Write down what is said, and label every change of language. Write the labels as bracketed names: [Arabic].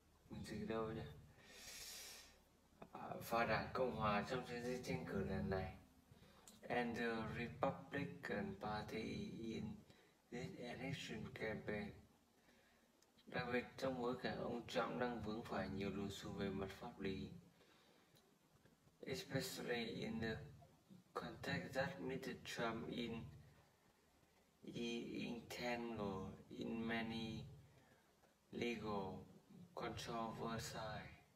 [Vietnamese] Mình dịch đâu nhỉ? Và Đảng Cộng Hòa trong chiến dịch tranh cử lần này. [English] And the Republican Party in this election campaign. [Vietnamese] Đặc biệt trong bối cảnh ông Trump đang vướng phải nhiều lùm xùm về mặt pháp lý. [English] Especially in the context that Mr. Trump is entangled in many legal controversies.